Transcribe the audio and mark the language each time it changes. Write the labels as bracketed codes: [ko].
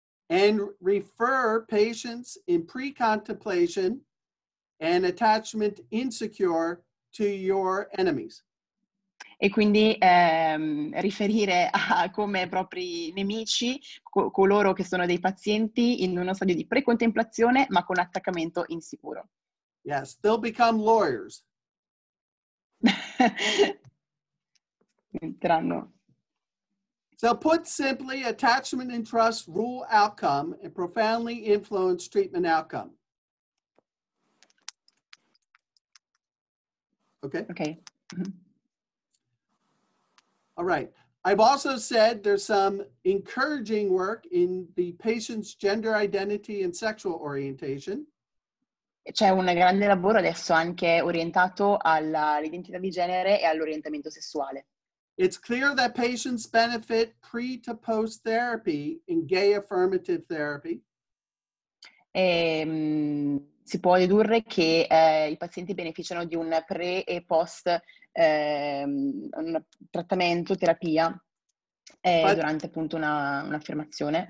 [en] And refer patients in pre-contemplation and attachment insecure to your enemies. [it] E quindi riferire a come propri nemici coloro che sono dei pazienti in uno stadio di precontemplazione ma con attaccamento insicuro. [en] Yes, they'll become lawyers. [it] Entrano. [en] So put simply, attachment and trust rule outcome and profoundly influence treatment outcome. Okay. Okay. All right. I've also said there's some encouraging work in the patient's gender identity and sexual orientation. [it] C'è un grande lavoro adesso anche orientato all'identità di genere e all'orientamento sessuale. [en] It's clear that patients benefit pre to post therapy in gay affirmative therapy. [it] Si può dedurre che i pazienti beneficiano di un pre e post un trattamento, terapia, durante appunto un'affermazione.